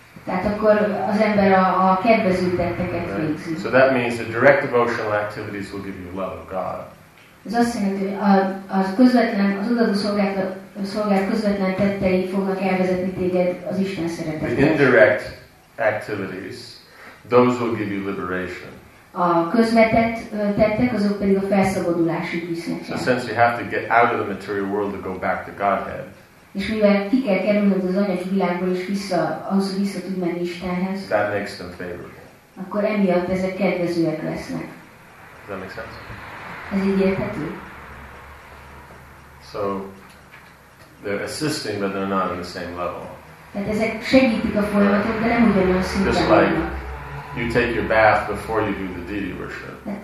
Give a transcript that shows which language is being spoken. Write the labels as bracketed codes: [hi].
[hu] Tehát akkor az ember a kedvező tetteket végzi. Right. [en] So that means the direct devotional activities will give you love of God. [hu] Ez azt jelenti, hogy az odaadó szolgálat közvetlen tettei fognak elvezetni téged az Isten szeretetet. [en] The indirect activities, those will give you liberation. [hu] A közvetett tettek, azok pedig a felszabadulási visznek. [en] So since you have to get out of the material world to go back to Godhead. [hu] És mivel ki kell kerülnöd az anyagi világból is vissza, ahhoz, hogy vissza tud menni Istenhez. [en] That makes them favorable. [hu] Akkor emiatt ezek kedvezőek lesznek. [en] Does that make sense? [hu] Ez így érthető? [en] So, they're assisting, but they're not on the same level. [hu] Tehát ezek segítik a folyamatot, de nem ugyanolyan szinten. [en] Just like you take your bath before you do the deity worship.